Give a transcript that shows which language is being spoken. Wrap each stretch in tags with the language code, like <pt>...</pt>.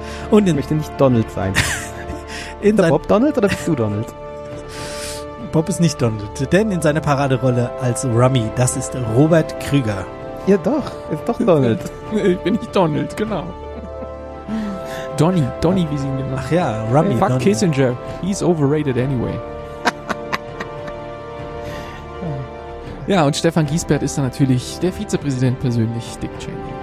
<de>Und ich möchte nicht Donald sein. In ist der Bob Donald oder bist du Donald? Bob ist nicht Donald, denn in seiner Paraderolle als Rummy, das ist Robert Krüger. Ja doch, ist doch Donald. Ich bin nicht Donald, genau. Donny, wie sie ihn nennen. Ach ja, Rummy.</de> <en>Fuck Donny. Kissinger, he's overrated anyway.</en> <de>Ja, und Stefan Giesbert ist dann natürlich der Vizepräsident persönlich, Dick Cheney.</de>